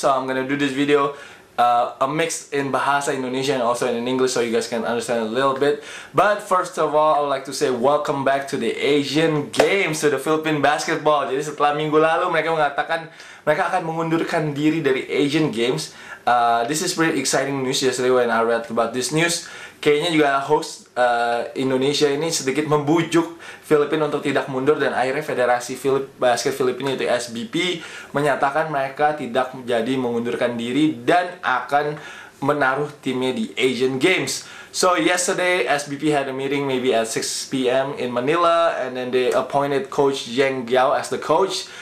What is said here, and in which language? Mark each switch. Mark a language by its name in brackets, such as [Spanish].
[English] So I'm gonna do this video a mix in Bahasa Indonesia and also in English so you guys can understand a little bit. But first of all, I'd like to say welcome back to the Asian Games, to the Philippine Basketball. [Indonesian] Jadi setelah minggu lalu mereka mengatakan mereka akan mengundurkan diri dari Asian Games. [English] This is pretty exciting news yesterday when I read about this news. [Indonesian] Kayaknya juga host Indonesia ini sedikit membujuk Filipina untuk tidak mundur dan akhirnya Federasi Basket Filipina yaitu SBP menyatakan mereka tidak jadi mengundurkan diri dan akan menaruh timnya di Asian Games. [English] So yesterday SBP had a meeting maybe at 6 PM in Manila and then they appointed coach Yang Giao as the coach.